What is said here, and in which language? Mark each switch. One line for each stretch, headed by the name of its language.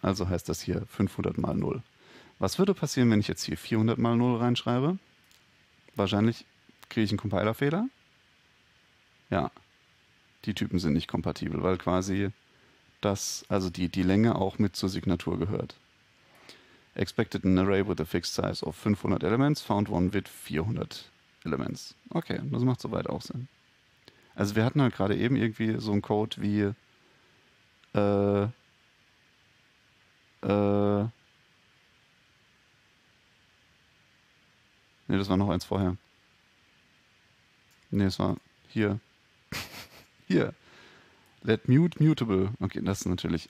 German: Also heißt das hier 500 mal 0. Was würde passieren, wenn ich jetzt hier 400 mal 0 reinschreibe? Wahrscheinlich kriege ich einen Compiler-Fehler. Ja, die Typen sind nicht kompatibel, weil quasi das, also die Länge auch mit zur Signatur gehört.
English: Expected an array with a fixed size of 500 elements, found one with 400 elements.
German: Okay, das macht soweit auch Sinn. Also wir hatten halt gerade eben irgendwie so einen Code wie ne, das war noch eins vorher. Ne, das war hier. Hier. Let mute mutable. Okay, das ist natürlich.